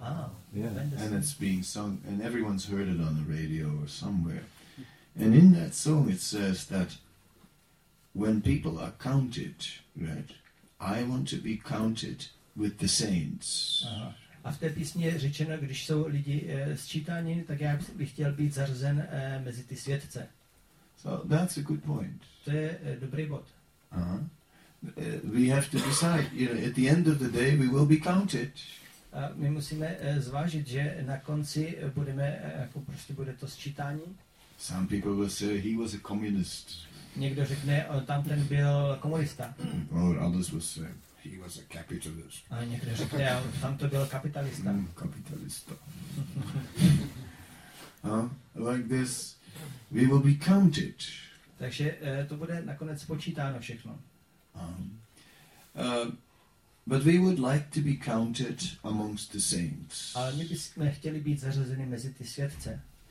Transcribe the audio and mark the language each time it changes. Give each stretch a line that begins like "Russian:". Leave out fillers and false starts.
English: And it's being sung, and everyone's heard it on the radio or somewhere. And in that song it says that when people are counted, right, I want to be counted with the saints.
Czech: A v té písni je řečeno, když jsou lidi sčítáni, tak já bych chtěl být zařazen mezi ty světce.
English: So that's a good point.
Czech: To je dobrý bod.
English: We have to decide, you know, at the end of the day we will be counted.
Czech: A my musíme zvážit, že na konci budeme, jako prostě bude to sčítání.
English: Some people will say he was a communist.
Czech: Někdo řekne, tamten byl komunista.
English: Or others will say, he was a capitalist.
Czech: A někdo řekne, tamto byl kapitalista. Kapitalista.
English: Like this, we will be counted.
Czech: Takže to bude nakonec počítáno všechno.
English: But we would like to be counted amongst the saints.
Czech: Ale my bychom chtěli být zařazeni mezi ty světce.